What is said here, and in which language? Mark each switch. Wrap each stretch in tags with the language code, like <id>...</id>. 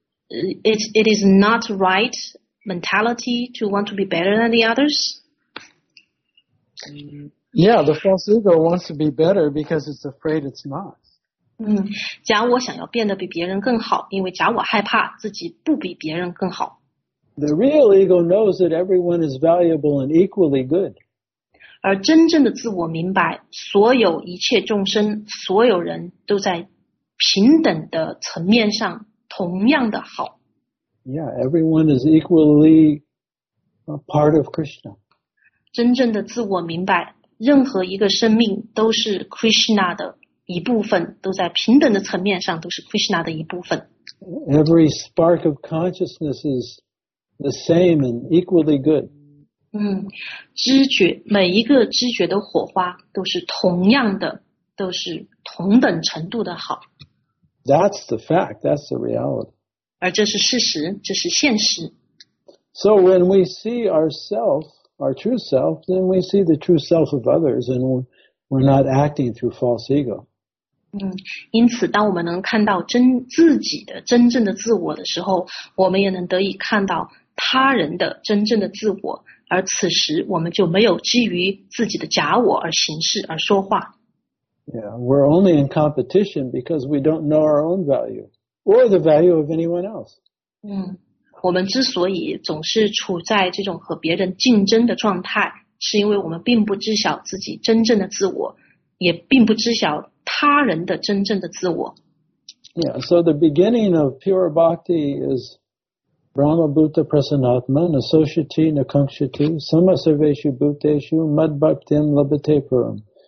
<en>It is not right mentality to want to be better than the others. Yeah, the false ego wants to be better because it's afraid it's not.</en> <zh>嗯，假我想要变得比别人更好，因为假我害怕自己不比别人更好。</zh> <en>The real ego knows that everyone is valuable and equally good.</en> <zh>而真正的自我明白，所有一切众生，所有人都在平等的层面上同样的好。</zh> <en>Yeah, everyone is equally a part of Krishna.</en> <zh>真正的自我明白，任何一个生命都是 Krishna 的一部分，都在平等的层面上都是 Krishna 的一部分。</zh> <en>Every spark of consciousness is the same and equally good.</en> <zh>知觉，每一个知觉的火花都是同样的，都是同等程度的好。</zh> <en>That's the fact, that's the reality.</en> <zh>而这是事实，这是现实。</zh> <en>So when we see ourselves, our true self, then we see the true self of others, and we're not acting through false ego.</en> <zh>因此当我们能看到自己的真正的自我的时候，我们也能得以看到他人的真正的自我，而此时我们就没有基于自己的假我而行事而说话。</zh> <en>Yeah, we're only in competition because we don't know our own value or the value of anyone else.</en> <zh>我们之所以总是处在这种和别人竞争的状态，是因为我们并不知晓自己真正的自我，也并不知晓他人的真正的自我。</zh> <en>Yeah, so the beginning of pure bhakti is</en> <sa>Brahma Bhuta Prasanatman, Associati Nakankshati, Samasarveshu Bhuteshu, Mad Bhaktim Labhate Purum.</sa>